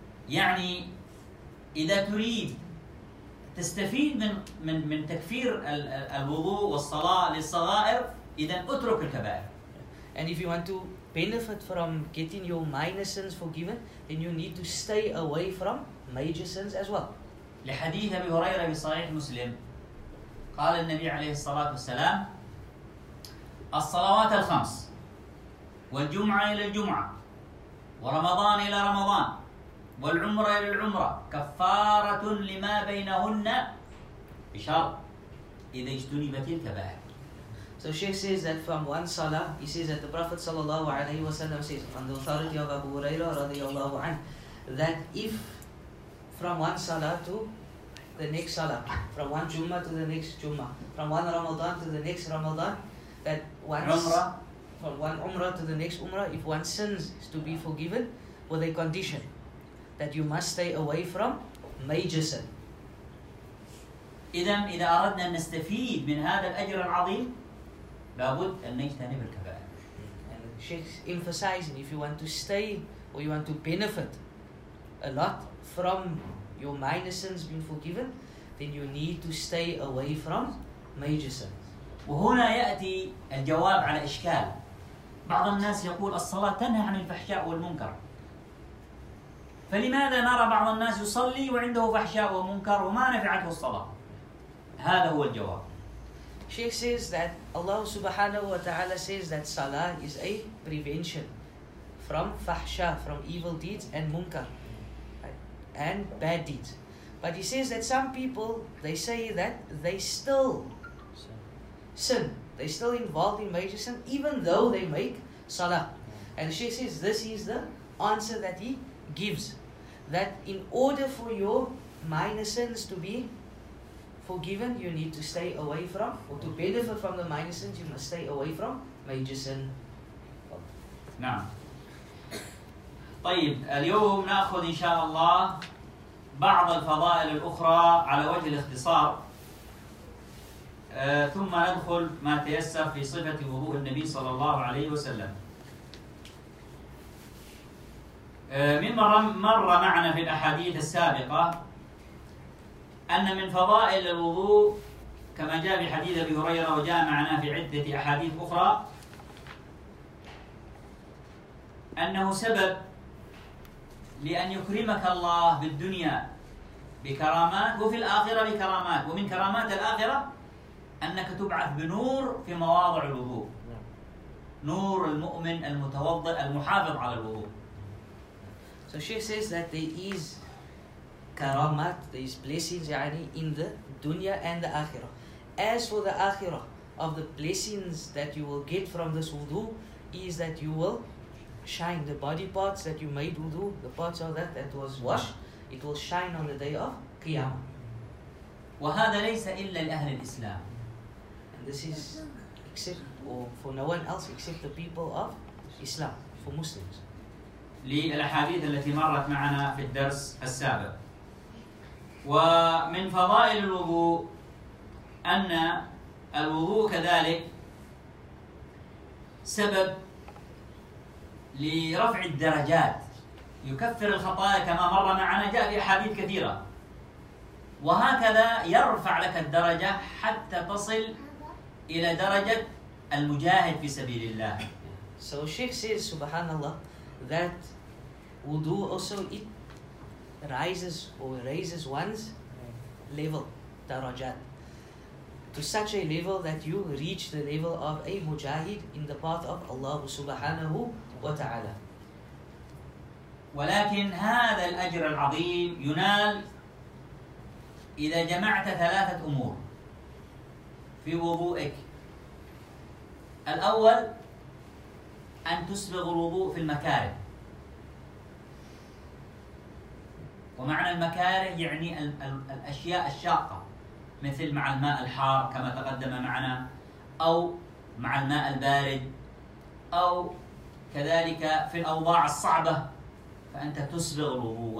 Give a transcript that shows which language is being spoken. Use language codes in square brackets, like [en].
[ar] يعني إذا تريد تستفيد من تكفير الوضوء والصلاة للصغائر, إذا اترك الكبائر. [en] And if you want to benefit from getting your minor sins forgiven, then you need to stay away from major sins as well. [ar] لحديث أبي هريرة في صحيح مسلم قال النبي عليه الصلاة والسلام: الصلوات الخمس, والجمعة إلى الجمعة, ورمضان إلى رمضان, والعمرة إلى العمرة, كفارة لما بينهن بشرط إذا اجتنبت الكبائر. [en] So Sheikh says that from one salah, he says that the Prophet [ar] صلى الله عليه وسلم [en] says, from the authority of Abu Hurairah [ar] رضي الله عنه, [en] that if from one salah to the next salah, from one Jummah to the next Jummah, from one Ramadan to the next Ramadan, that from one Umrah to the next Umrah, if one sins is to be forgiven, with a condition that you must stay away from major sin. [ar] إذن إذا أردنا أن نستفيد من هذا الأجر العظيم لابد أن نجتنب الكبائر. [en] And Sheikh emphasizing, if you want to stay or you want to benefit a lot from your minor sins being forgiven, then you need to stay away from major sins. [ar] وهنا يأتي الجواب على إشكال بعض الناس يقول الصلاة تنهى عن الفحشاء والمنكر. فلماذا نرى بعض الناس يصلي وعنده فحشاء ومنكر وما نفعته الصلاة؟ هذا هو الجواب. [en] Sheikh says that Allah subhanahu wa ta'ala says that salah is a prevention from fahsha, from evil deeds and munkar, and bad deeds. But he says that some people, they say that they still sin. They still involved in major sin, even though they make salah. And Sheikh says this is the answer that he gives. That in order for your minor sins to be forgiven, you need to stay away from, or to benefit from the minor sins, you must stay away from major sin. [ar] طيب اليوم نأخذ إن شاء الله بعض الفضائل الأخرى على وجه الاختصار ثم ندخل ما تيسر في صفة وضوء النبي صلى الله عليه وسلم. مما مر معنا في الأحاديث السابقة أن من فضائل الوضوء كما جاء في حديث أبي هريرة وجاء معنا في عدة أحاديث أخرى أنه سبب لأن يكرمك الله بالدنيا بكرامات وفي الآخرة بكرامات، ومن كرامات الآخرة أنك تبعث بنور في مواضع الوضوء، نور المؤمن المتوضئ المحافظ على الوضوء. [en] So she says that there is karamat, there is blessings يعني in the dunya and the akhirah. As for the akhirah, of the blessings that you will get from this wudu is that you will shine the body parts that you made wudu, the parts of that that was washed, it will shine on the day of qiyamah. [ar] وهذا ليس إلا لأهل الإسلام. [en] And this is except or for no one else except the people of Islam, for Muslims. [ar] للأحاديث التي مرت معنا في الدرس السابق. ومن فضائل الوضوء أن الوضوء كذلك سبب لرفع الدرجات، يكفر الخطايا كما مر معنا، جاء في أحاديث كثيرة، وهكذا يرفع لك الدرجة حتى تصل إلى درجة المجاهد في سبيل الله. [en] So Sheikh says [ar] سبحان الله [en] that wudu also it rises or raises one's level, darajat, to such a level that you reach the level of a mujahid in the path of Allah subhanahu wa ta'ala. [ar] ولكن هذا الأجر العظيم ينال إذا جمعت ثلاثة أمور في وضوئك. الأول أن تسبغ الوضوء في المكاره، ومعنى المكاره يعني الأشياء الشاقة مثل مع الماء الحار كما تقدم معنا، أو مع الماء البارد، أو كذلك في الأوضاع الصعبة، فأنت تسبغ الوضوء.